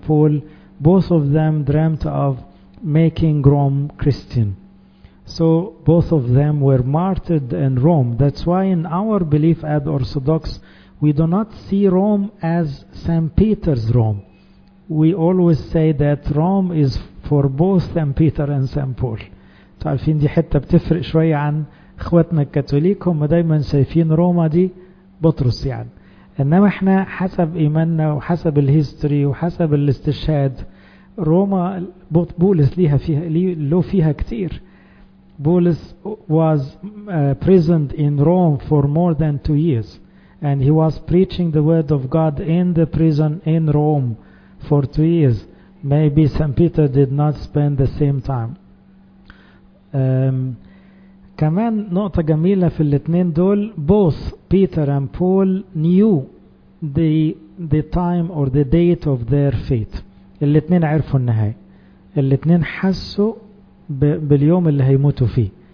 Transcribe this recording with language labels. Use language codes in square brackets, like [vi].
[en] Paul, both of them dreamt of making Rome Christian. So both of them were martyred in Rome. That's why in our belief at Orthodox, we do not see Rome as St. Peter's Rome. We always say that Rome is for both St. Peter and St. Paul. [ar] تعرفين دي حتة بتفرق شوية عن اخواتنا الكاثوليك، هم دايما شايفين روما دي بطرس يعني. انما احنا حسب ايماننا وحسب الهيستوري وحسب الاستشهاد، روما بولس ليها فيها له فيها كتير. [en] بولس was imprisoned in Rome for more than 2 years. And he was preaching the word of God in the prison in Rome for 2 years. Maybe St. Peter did not spend the same time. [ar] كمان نقطة جميلة في الاثنين دول، [en] both Peter and Paul knew the time or the date of their fate. [ar] الاثنين عرفوا النهاية. الاثنين حسوا باليوم اللي هيموتوا فيه.